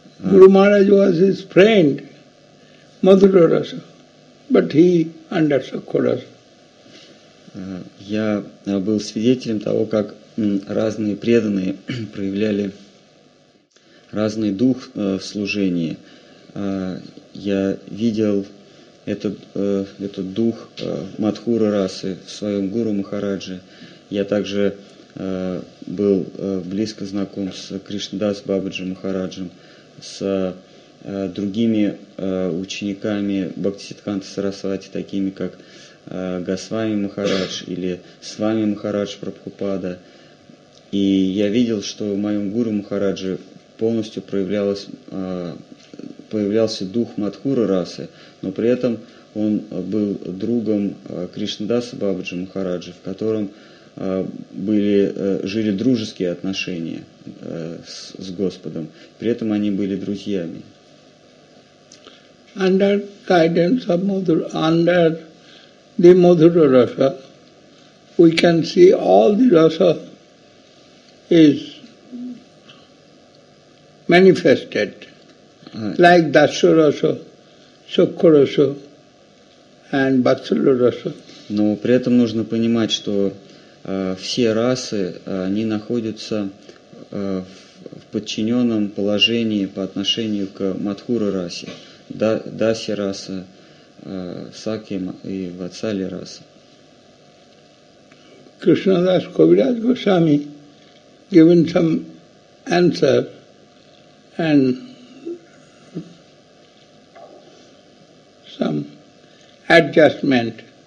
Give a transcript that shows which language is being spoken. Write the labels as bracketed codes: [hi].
[en] Guru Maharaj was his friend, Madhura Rasa, but he under Sukhurasa. [ru] Я был свидетелем того, как разные преданные проявляли разный дух в служении. Я видел этот дух Мадхура расы в своем гуру Махараджи. Я также был близко знаком с Кришнадас Бабаджи Махараджем, с другими учениками Бхактисиддханта Сарасвати, такими как Госвами Махарадж или Свами Махарадж Прабхупада. И я видел, что в моем гуру Махараджи полностью появлялся дух Мадхура расы, но при этом он был другом Кришнадаса Бабаджи Махараджи, в котором жили дружеские отношения с Господом. При этом они были друзьями. [en] Under guidance of Madhura, under the Madhura rasa, we can see all the rasa is manifested, like Dasya Rasa, Sukha Rasa and Vatsala Rasa. [ru] Но при этом нужно понимать, что все расы, они находятся в подчиненном положении по отношению к Мадхура расе, Даси раса, Саки и Ватсали раса. [en] Кришнадас Кавираджа Госвами given some answer and some adjustment.